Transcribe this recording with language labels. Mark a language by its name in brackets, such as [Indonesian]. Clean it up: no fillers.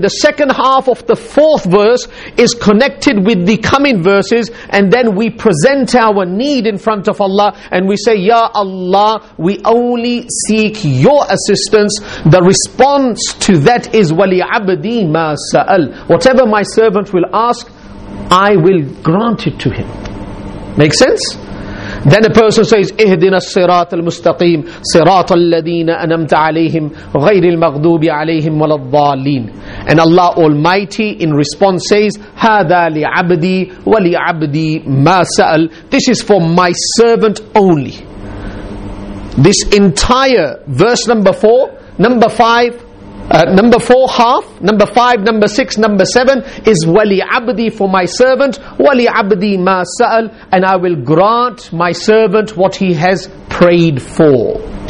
[English] The second half of the fourth verse is connected with the coming verses, and then we present our need in front of Allah and we say, Ya Allah, we only seek your assistance. The response to that is [Arabic] wa li 'abdi ma sa'al. [English] Whatever my servant will ask, I will grant it to him. Make sense? Then a person says, [Arabic] اهدنا الصراط المستقيم صراط الذين أنمت عليهم غير المغضوب عليهم ولا الضالين. [English] And Allah Almighty in response says, [Arabic] هذا لعبدي ولعبدي ما سأل. [English] This is for my servant only. This entire verse number 4, number 5, number 4 half, number 5, number 6, number 7 is wali abdi, for my servant, [Arabic] wali abdi ma sa'al, [English] and I will grant my servant what he has prayed for.